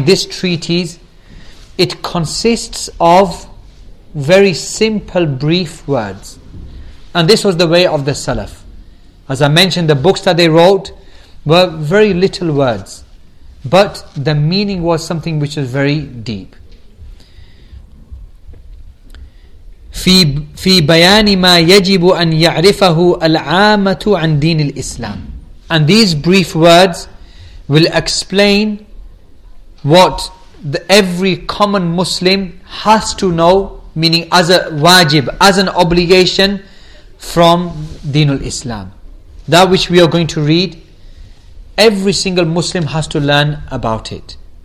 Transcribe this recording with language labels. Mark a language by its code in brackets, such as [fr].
[en] this treatise, it consists of very simple, brief words. And this was the way of the Salaf. As I mentioned, the books that they wrote were very little words, but the meaning was something which was very deep. [ar] في بيان ما يجب أن يعرفه العامة عن دين الإسلام. [en] And these brief words will explain what every common Muslim has to know, meaning as a wajib, as an obligation from Deen al-Islam. That which we are going to read, every single Muslim has to learn about it.